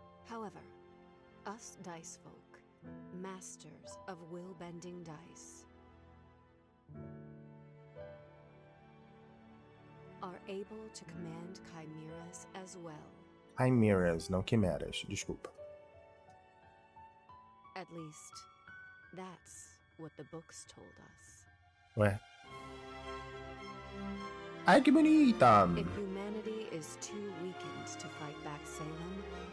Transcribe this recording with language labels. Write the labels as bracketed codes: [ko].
[en] However, us dice folk, masters of will-bending dice, are able to command chimeras as well. [pt] Chimeras, não quimeras, desculpa. [en] At least, that's what the books told us. [pt] Ué? Ai, que bonita! [en] If humanity is too weakened to fight back Salem,